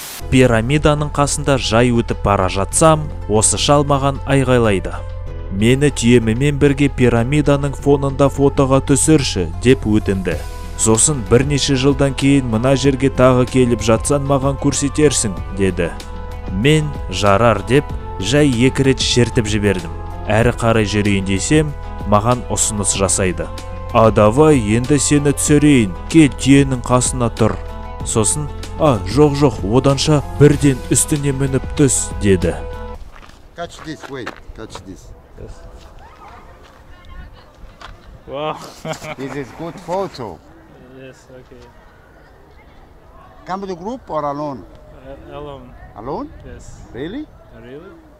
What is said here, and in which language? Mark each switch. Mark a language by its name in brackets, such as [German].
[Kazakh] Пирамиданың қасында жай өтіп бара жатсам, осы шал маған айғайлайды. Мені түйемімен бірге пирамиданың фонында фотоға түсірші, деп өтінді. Сосын бірнеше жылдан кейін мына жерге тағы келіп жатсан маған көрсетерсің, деді. Мен жарар деп, жай екі рет шертіп жібердім. Әрі қарай жүрейін десем, маған ұсыныс жасайды. [Russian] А давай, [Kazakh] енді сені түсірейін, кел түйенің қасына тұр. Сосын, а жоқ-жоқ, оданша бірден үстіне мініп түс, деді. [English] Catch this, wait, catch this. Wow. Is it good photo? Yes, okay. Come with the group or alone? Alone. Alone? Yes. Really? Really?